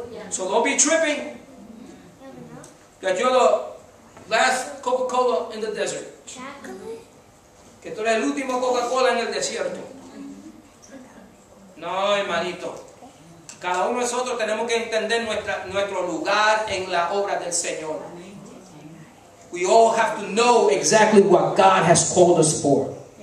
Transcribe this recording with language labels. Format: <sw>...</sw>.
<en>So don't be tripping that you're the last Coca-Cola in the desert. Chocolate?</en> <es>Que tú eres el último Coca-Cola en el desierto. No, hermanito. Cada uno de nosotros tenemos que entender nuestro lugar en la obra del Señor.</es> <en>We all have to know exactly what God has called us for.</en>